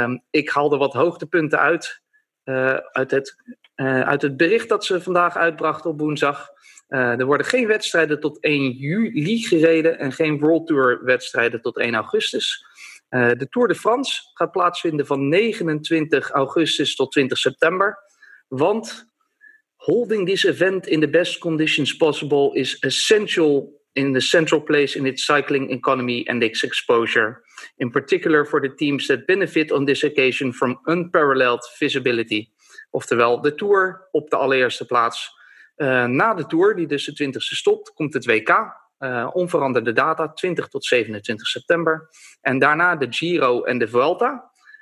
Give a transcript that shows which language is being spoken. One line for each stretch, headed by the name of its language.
Dutch: Ik haalde wat hoogtepunten uit. Uit het bericht dat ze vandaag uitbrachten op woensdag. Er worden geen wedstrijden tot 1 juli gereden en geen World Tour wedstrijden tot 1 augustus. De Tour de France gaat plaatsvinden van 29 augustus tot 20 september.
English: Want holding this event in the best conditions possible is essential in the central place in its cycling economy and its exposure. In particular for the teams that benefit on this occasion from unparalleled visibility.
Dutch: Oftewel, de Tour op de allereerste plaats. Na de Tour, die dus de 20e stopt, komt het WK. Onveranderde data, 20 tot 27 september. En daarna de Giro en de Vuelta.